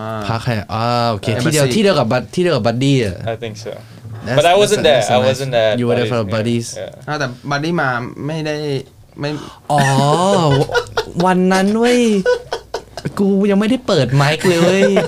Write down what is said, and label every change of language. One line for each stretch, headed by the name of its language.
Thai: พาขยัดโอเคที่เดียวกับบัดดี้อะ
English: I think so but I wasn't there I wasn't there you were there for buddies
Thai: แต่บัดดี้มาไม่ได้ไม่อ๋อวันนั้นเว้ยกูยังไม่ได้เปิดไมค์เลย